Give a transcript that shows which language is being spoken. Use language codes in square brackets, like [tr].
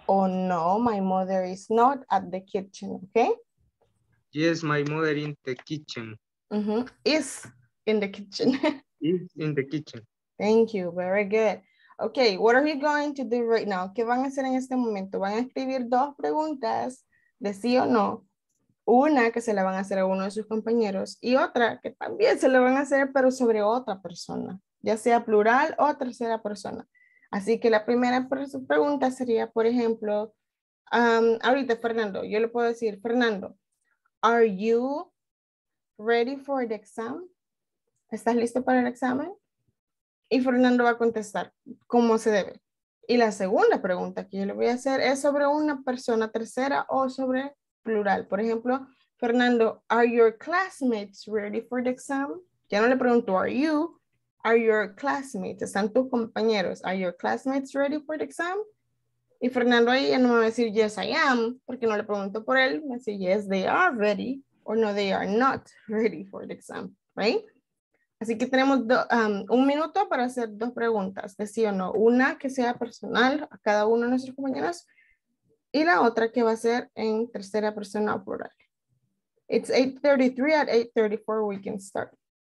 [en] Or no, my mother is not at the kitchen. Okay? Yes, my mother in the kitchen. Uh-huh. Is in the kitchen. Is in the kitchen. Thank you. Very good. Okay, what are you going to do right now? [es] ¿Qué van a hacer en este momento? Van a escribir dos preguntas de sí o no. Una que se la van a hacer a uno de sus compañeros y otra que también se la van a hacer, pero sobre otra persona, ya sea plural o tercera persona. Así que la primera pregunta sería, por ejemplo, ahorita Fernando, yo le puedo decir, Fernando, [en] are you ready for the exam? [es] ¿Estás listo para el examen? Y Fernando va a contestar como se debe. Y la segunda pregunta que yo le voy a hacer es sobre una persona tercera o sobre plural. Por ejemplo, [en] Fernando, are your classmates ready for the exam? [es] Ya no le pregunto, [en] are you? Are your classmates, [es] están tus compañeros, [en] are your classmates ready for the exam? [es] Y Fernando ahí ya no me va a decir, [en] yes, I am, [es] porque no le pregunto por él. Me dice, [en] yes, they are ready, or no, they are not ready for the exam, right? [es] Así que tenemos un minuto para hacer dos preguntas, de sí o no. Una que sea personal a cada uno de nuestros compañeros y la otra que va a ser en tercera persona o plural. [en] It's 8:33, at 8:34 we can start.